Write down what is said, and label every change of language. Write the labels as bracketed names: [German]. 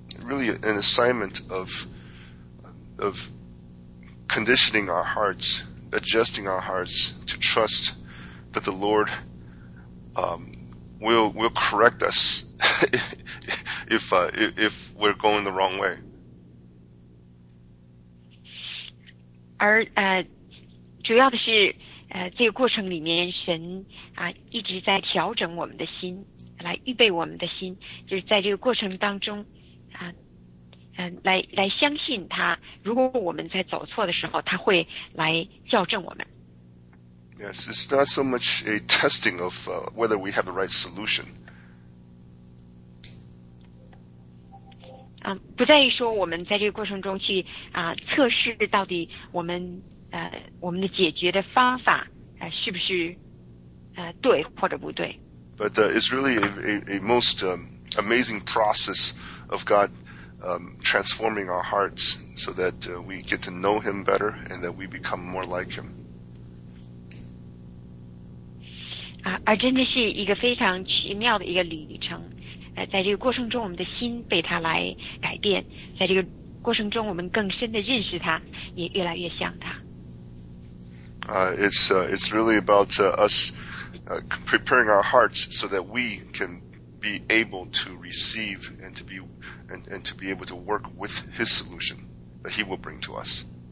[English] really an assignment of conditioning our hearts, adjusting our hearts to trust that the Lord will correct us if we're going the wrong way. [Chinese] 而 主要的是 这个过程里面神 一直在调整我们的心 来预备我们的心 就是在这个过程当中 来相信他 如果我们在走错的时候 他会来校正我们 [English] Yes, it's not so much a testing of whether we have the right solution [Chinese] 不在于说我们在这个过程中去 测试到底我们 我们的解决的方法 是不是 对或者不对 [English] But it's really a most amazing process of God transforming our hearts so that we get to know Him better and that we become more like Him. [Chinese] 而真的是一个非常奇妙的一个旅程 在这个过程中我们的心被祂来改变 在这个过程中我们更深地认识祂 也越来越像祂 [English] It's really about us preparing our hearts so that we can be able to receive and to be and to be able to work with His solution that He will bring to us.